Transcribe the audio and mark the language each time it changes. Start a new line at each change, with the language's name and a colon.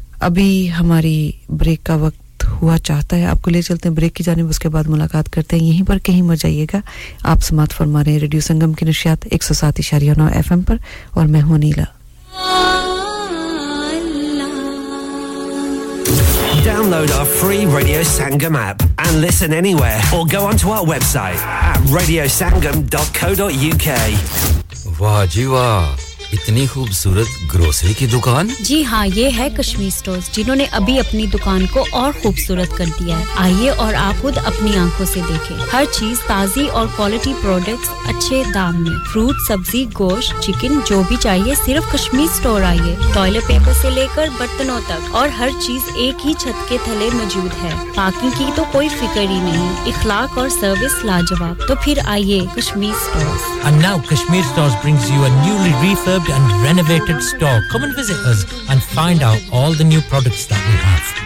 Urdu: ابھی ہماری بریک کا وقت ہوا چاہتا ہے آپ کو لے چلتے ہیں بریک کی جانب اس کے بعد ملاقات کرتے ہیں یہیں پر کہیں مر جائیے گا آپ سماعت فرما رہے ہیں ریڈیو سنگم کی نشریات 107.9 ایف ایم پر اور میں ہوں نیلا
English: Download our free Radio Sangam app and listen anywhere or go onto our website at radiosangam.co.uk
Urdu: واہ جی واہ اتنی خوبصورت گروسری کی دکان جی ہاں یہ ہے کشمیر سٹورز جنہوں نے ابھی اپنی دکان کو اور خوبصورت کر دیا ہے آئیے اور آپ خود اپنی آنکھوں سے دیکھیں ہر چیز تازی اور کوالٹی پروڈکٹس اچھے دام میں فروٹ سبزی گوشت چکن جو بھی چاہیے صرف کشمیر سٹور آئیے ٹوائلٹ پیپر سے لے کر برتنوں تک اور ہر چیز ایک ہی چھت کے تھلے موجود ہے پارکنگ کی تو کوئی فکر ہی نہیں اخلاق اور سروس لاجواب تو پھر آئیے Kashmir stores
English: And now Kashmir stores brings you a newly refurb and renovated store. Come and visit us and find out all the new products that we have.